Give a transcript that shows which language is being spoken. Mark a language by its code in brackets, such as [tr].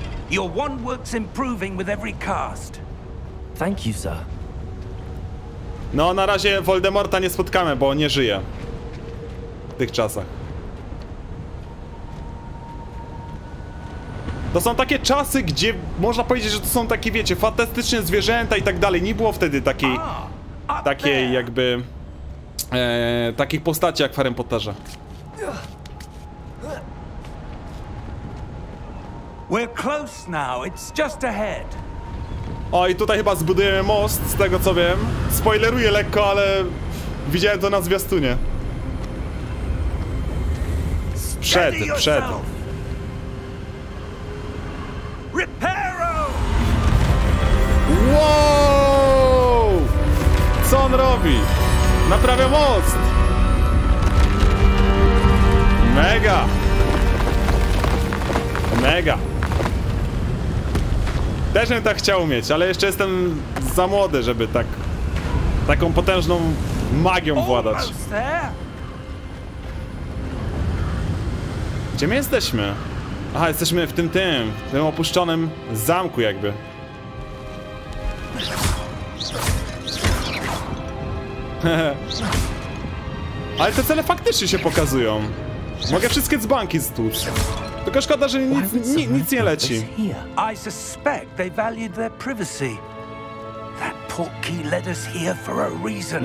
[en] Your one work's improving with every cast. Thank you, sir. [pl] No, na razie Voldemorta nie spotkamy, bo nie żyje. W tych czasach. To są takie czasy, gdzie można powiedzieć, że to są takie, wiecie, fantastyczne zwierzęta i tak dalej. Nie było wtedy takiej, jakby... takich postaci jak w Harry Potterze. [en] We're close now, it's just ahead. [pl] O, i tutaj chyba zbudujemy most, z tego co wiem. Spoileruję lekko, ale widziałem to na zwiastunie. Przed, przed. Reparo! Wow! Co on robi? Naprawia most! Mega! Mega! Też bym tak chciał mieć, ale jeszcze jestem za młody, żeby tak... taką potężną magią władać. Gdzie my jesteśmy? Aha, jesteśmy w tym opuszczonym zamku jakby. Ale te cele faktycznie się pokazują. Mogę wszystkie dzbanki stłuc. Tylko szkoda, że nic nie leci. [en] I suspect they valued their privacy. That portkey led us here for a reason.